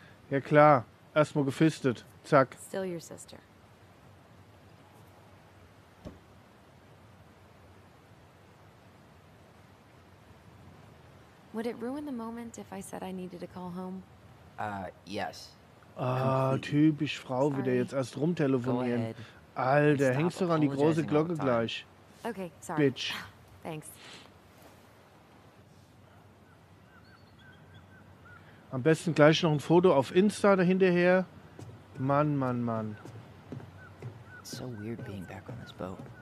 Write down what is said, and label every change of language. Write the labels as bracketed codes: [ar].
[de] Ja klar. Erstmal gefistet. Zack. [en] Still your sister. Would it ruin the moment if I said I needed to call home? Yes. [de] Ah, typisch Frau, sorry. Wieder jetzt erst rumtelefonieren. Alter, hängst du an die große Glocke gleich. [en] Okay, sorry. Bitch. Thanks. [de] Am besten gleich noch ein Foto auf Insta dahinterher. Mann, Mann, Mann. [en] So weird being back on this boat.